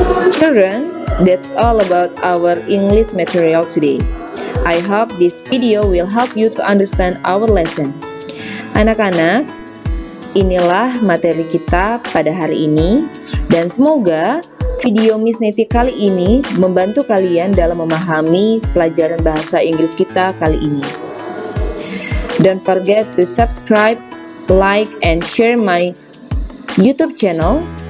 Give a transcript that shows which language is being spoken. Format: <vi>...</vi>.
<en>Sure. children, that's all about our English material today. I hope this video will help you to understand our lesson.</en> <id>Anak-anak, inilah materi kita pada hari ini, dan semoga video Miss Neti kali ini membantu kalian dalam memahami pelajaran bahasa Inggris kita kali ini.</id> <en>Don't forget to subscribe, like, and share my YouTube channel.</en>